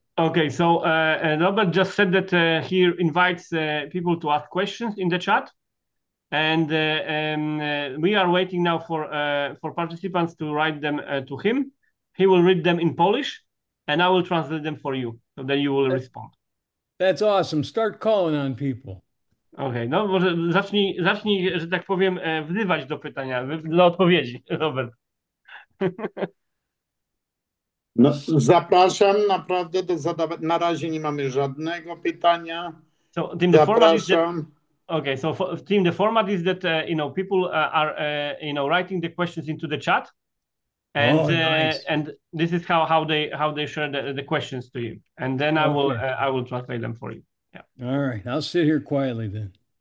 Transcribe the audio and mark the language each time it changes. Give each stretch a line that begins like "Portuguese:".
English: Okay, so Robert just said that he invites people to ask questions in the chat, and we are waiting now for participants to write them to him. He will read them in Polish, and I will translate them for you, so then you will respond. That's awesome. Start calling on people.
Polish: Okay, no może zacznij, że tak powiem, wzywać do pytania, do odpowiedzi, Robert. No, zapraszam naprawdę do zadawania. Na razie nie mamy żadnego pytania.
English: So, Tim, the format is that,
Polish: Zapraszam.
English: okay, so for, Tim, the format is that, people are, writing the questions into the chat, Oh, nice. and this is how they share the questions to you. And then Okay. I will translate them for you. All right, I'll sit here quietly then.